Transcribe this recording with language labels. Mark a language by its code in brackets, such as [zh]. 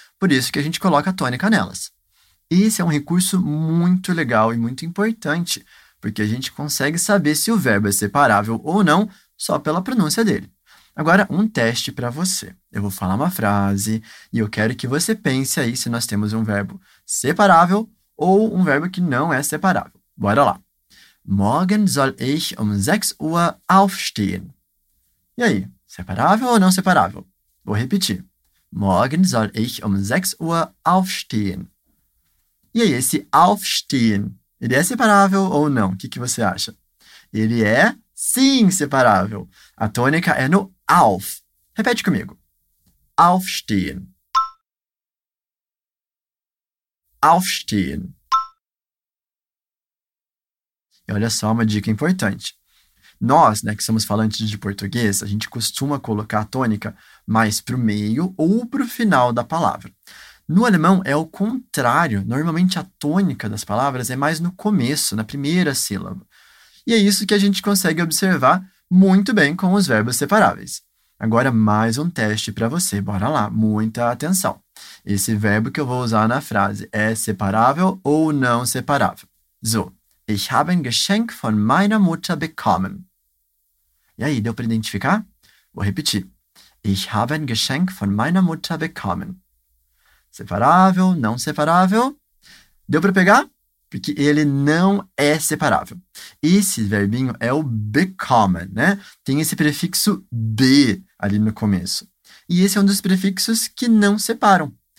[pt] Por isso que a gente coloca a tônica nelas. Esse é um recurso muito legal e muito importante, porque a gente consegue saber se o verbo é separável ou não só pela pronúncia dele. Agora, um teste para você. Eu vou falar uma frase e eu quero que você pense aí se nós temos um verbo separável ou um verbo que não é separável. Bora lá. [de] Morgen soll ich 6 Uhr aufstehen. [pt] E aí, separável ou não separável? Vou repetir. [de] Morgen soll ich 6 Uhr aufstehen. [pt] E aí, esse aufstehen, ele é separável ou não? O que, que você acha? Ele é, sim, separável. A tônica é no auf. Repete comigo. Aufstehen. Aufstehen. E olha só uma dica importante. Nós, né, que somos falantes de português, a gente costuma colocar a tônica mais para o meio ou para o final da palavra. No alemão é o contrário. Normalmente a tônica das palavras é mais no começo, na primeira sílaba. E é isso que a gente consegue observar muito bem com os verbos separáveis. Agora, mais um teste para você. Bora lá, muita atenção. Esse verbo que eu vou usar na frase é separável ou não separável? [de] So, ich habe ein Geschenk von meiner Mutter bekommen. [pt] E aí, deu para identificar? Vou repetir. [de] Ich habe ein Geschenk von meiner Mutter bekommen. [pt] Separável, não separável? Deu para pegar? Porque ele não é separável. Esse verbinho é o bekommen, né? Tem esse prefixo be ali no começo. E esse é um dos prefixos que não separam.